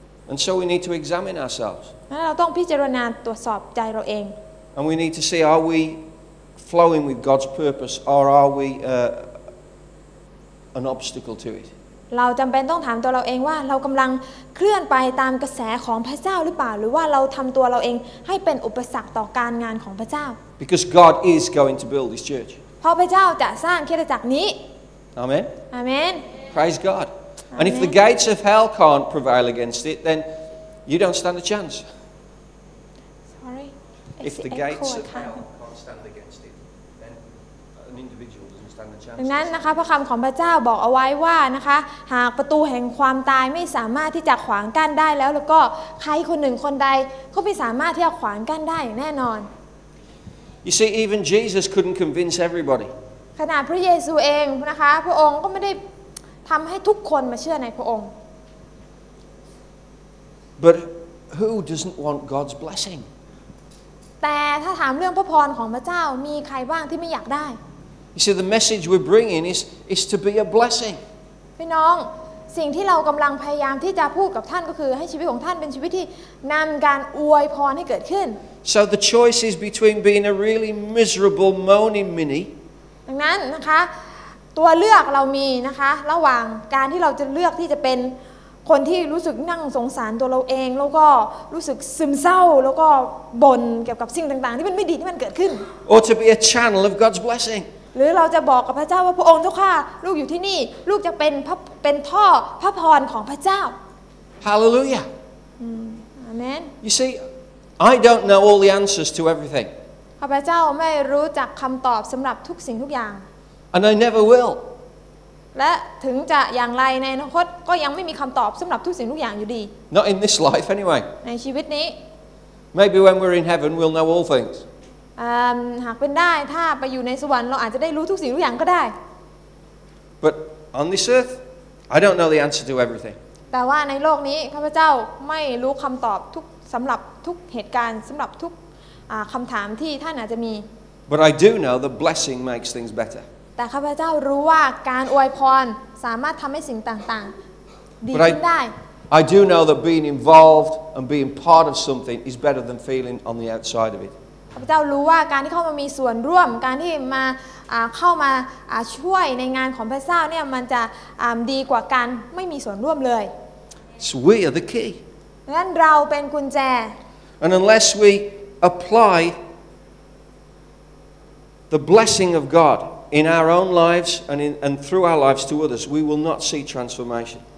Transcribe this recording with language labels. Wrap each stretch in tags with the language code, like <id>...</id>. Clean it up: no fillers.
<en>And so we need to examine ourselves.</en> <th>เราต้องพิจารณาตรวจสอบใจเราเอง</th> <en>And we need to see are we flowing with God's purpose or are we an obstacle to it?</en> <th>เราจำเป็นต้องถามตัวเราเองว่าเรากำลังเคลื่อนไปตามกระแสของพระเจ้าหรือเปล่าหรือว่าเราทำตัวเราเองให้เป็นอุปสรรคต่อการงานของพระเจ้า</th> <en>Because God is going to build this church.</en> <th>เพราะพระเจ้าจะสร้างคริสตจักรนี้</th> <en>Amen. Amen. Praise God. Amen. And if the gates of hell can't prevail against it, then you don't stand a chance. Sorry. If the gates of hell can't stand against it, then an individual doesn't stand a chance.</en> <th>ดังนั้นนะคะพระคำของพระเจ้าบอกเอาไว้ว่านะคะหากประตูแห่งความตายไม่สามารถที่จะขวางกั้นได้แล้วก็ใครคนหนึ่งคนใดก็ไม่สามารถที่จะขวางกั้นได้แน่นอน</th> <en>You see, even Jesus couldn't convince everybody.</en> <th>ขนาดพระเยซูเองนะคะพระองค์ก็ไม่ได้ทำให้ทุกคนมาเชื่อในพระองค์</th> <en>But who doesn't want God's blessing?</en> <th>แต่ถ้าถามเรื่องพระพรของพระเจ้ามีใครบ้างที่ไม่อยากได้</th> <en>You see the message we're bringing is to be a blessing.</en> <th>พี่น้องสิ่งที่เรากำลังพยายามที่จะพูดกับท่านก็คือให้ชีวิตของท่านเป็นชีวิตที่นำการอวยพรให้เกิดขึ้น</th> <en>So the choice is between being a really miserable moaning mini.</en> <th>ดังนั้นนะคะตัวเลือกเรามีนะคะระหว่างการที่เราจะเลือกที่จะเป็นคนที่รู้สึกนั่งสงสารตัวเราเองแล้วก็รู้สึกซึมเศร้าแล้วก็บ่นเกี่ยวกับสิ่งต่างๆที่มันไม่ดีที่มันเกิดขึ้น</th> <en>Or to be a channel of God's blessing</en> <th>หรือเราจะบอกกับพระเจ้าว่าพระองค์เจ้าข้าลูกอยู่ที่นี่ลูกจะเป็นท่อพระพรของพระเจ้า</th> <en>Hallelujah Amen You see I don't know all the answers to everything</en> <th>ข้าพเจ้าไม่รู้จักคำตอบสำหรับทุกสิ่งทุกอย่าง</th> <en>And I never will.</en> <th>และถึงจะอย่างไรในอนาคตก็ยังไม่มีคำตอบสำหรับทุกสิ่งทุกอย่างอยู่ดี</th> <en>Not in this life anyway.</en> <th>ในชีวิตนี้</th> <en>Maybe when we're in heaven, we'll know all things.</en> <th>หากเป็นได้ถ้าไปอยู่ในสวรรค์เราอาจจะได้รู้ทุกสิ่งทุกอย่างก็ได้</th> <en>But on this earth, I don't know the answer to everything.</en> <th>แต่ว่าในโลกนี้ข้าพเจ้าไม่รู้คำตอบทุกสำหรับทุกเหตุการณ์สำหรับทุกคำถามที่ท่านอาจจะมี</th> <en>But I do know the blessing makes things better.</en> <th>แต่ข้าพเจ้ารู้ว่าการอวยพรสามารถทำให้สิ่งต่างๆดีขึ้นได้</th> <en>I do know that being involved and being part of something is better than feeling on the outside of it</en> <th>พระเจ้ารู้ว่าการที่เข้ามามีส่วนร่วมการที่มาเข้ามาช่วยในงานของพระเจ้าเนี่ยมันจะดีกว่าการไม่มีส่วนร่วมเลย</th> <en>So we are the key</en> <th>งั้นเราเป็นกุญแจ</th> <en>And unless we apply the blessing of God in our own lives and through our lives to others we will not see transformation</en>